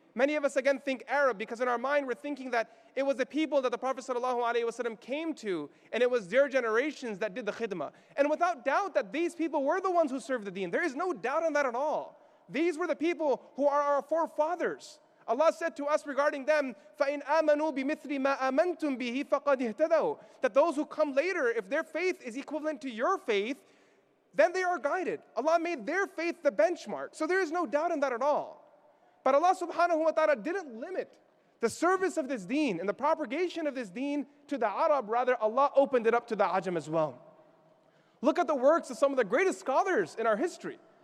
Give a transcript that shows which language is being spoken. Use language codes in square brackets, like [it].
[en] Many of us again think Arab because in our mind we're thinking that it was the people that the Prophet sallallahu alayhi wasallam came to and it was their generations that did the khidmah. And without doubt that these people were the ones who served the deen. There is no doubt on that at all. These were the people who are our forefathers. Allah said to us regarding them, [ar] فَإِنْ آمَنُوا بِمِثْلِ مَا آمَنْتُمْ بِهِ فَقَدْ اِهْتَدَوْا. [en] That those who come later, if their faith is equivalent to your faith, then they are guided. Allah made their faith the benchmark. So there is no doubt in that at all. But Allah subhanahu wa ta'ala didn't limit the service of this deen and the propagation of this deen to the Arab. Rather, Allah opened it up to the Ajam as well. Look at the works of some of the greatest scholars in our history.